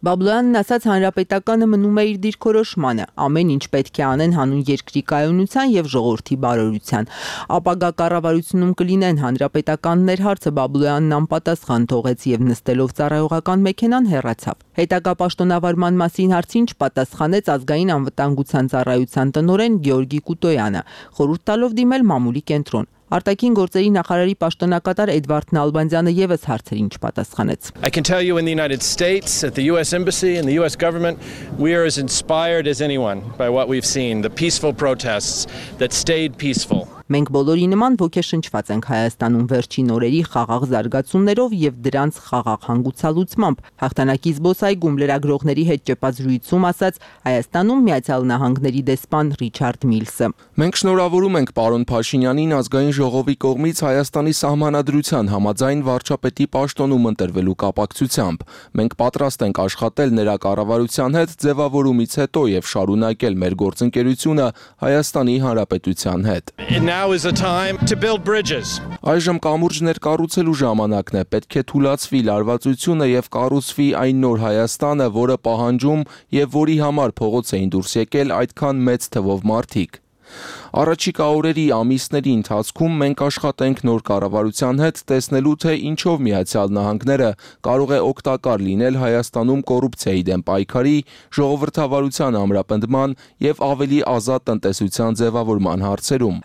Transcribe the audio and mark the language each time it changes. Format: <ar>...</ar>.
<hy>Բաբլոյանն ասաց, հանրապետականը մնում է իր դիրքորոշմանը, ամեն ինչ պետք է անեն հանուն երկրի կայունության եւ ժողովրդի բարօրության։ Ապագա կառավարությունում կլինեն հանրապետականներ հարցը Բաբլոյանն անպատասխան թողեց եւ նստելով ծառայողական մեքենան հեռացավ։ Հետագա պաշտոնավարման մասին հարցին չպատասխանեց ազգային անվտանգության ծառայության տնօրեն Գյորգի Կուտոյանը, խորհուրդ տալով դիմել մամուլի կենտրոն։ Արտաքին գործերի նախարարի պաշտոնակատար Էդվարդ Նալբանդյանը եւս հարցերին չպատասխանեց։</hy> <en>I can tell you in the United States at the US embassy and the US government we are as inspired as anyone by what we've seen, the peaceful protests that stayed peaceful.</en> <hy>Մենք բոլորի նման ոգեշնչված ենք Հայաստանում վերջին օրերի խաղաղ զարգացումներով եւ դրանց խաղաղ հանգուցալուծմամբ։ Հաղթանակի զբոսայգում լրագրողների հետ ճեպած զրույցում ասաց Հայաստանում Միացյալ Նահանգների դեսպան Ռիչարդ Միլսը. Մենք շնորհավորում ենք պարոն Փաշինյանին ազգային ժողովի կողմից Հայաստանի սահմանադրության համաձայն վարչապետի պաշտոնում ընտրվելու կապակցությամբ։ Մենք պատրաստ ենք աշխատել նրա կառավարության հետ ձևավորումից հետո եւ շարունակել մեր գործընկերությունը Հայաստանի Հանրապետության հետ։</hy> <en>And now is the time to build bridges.</en> <hy>Այժմ կամուրջներ կառուցելու ժամանակն է, պետք է թուլացվի լարվածությունը եւ կառուցվի այն նոր Հայաստանը, որը պահանջում եւ որի համար փողոց էին դուրս եկել այդքան մեծ թվով մարդիկ։ Առաջիկա օրերի ամիսների ընթացքում մենք աշխատենք նոր կառավարության հետ տեսնելու, թե ինչով Միացյալ Նահանգները կարող է օգտակար լինել Հայաստանում կոռուպցիայի դեմ պայքարի, ժողովրդավարության ամրապնդման եւ ավելի ազատ տնտեսության ձևավորման հարցերում։</hy>